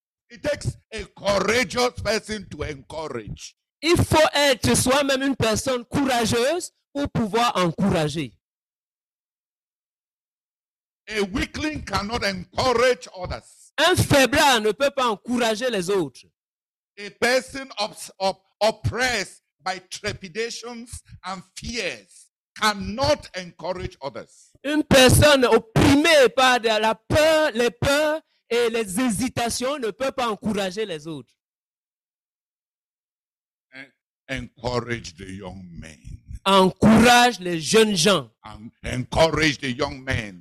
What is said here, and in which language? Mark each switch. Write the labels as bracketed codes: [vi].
[en] It takes a courageous person to encourage. [fr] Il faut être soi-même une personne courageuse pour pouvoir encourager. [en] A weakling cannot encourage others. [fr] Un faiblard ne peut pas encourager les autres. [en] A person oppressed by trepidations and fears cannot encourage others. [fr] Une personne opprimée par la peur, les peurs et les hésitations ne peut pas encourager les autres. [en] Encourage the young men. [fr] Encourage les jeunes gens. [en] Encourage the young men.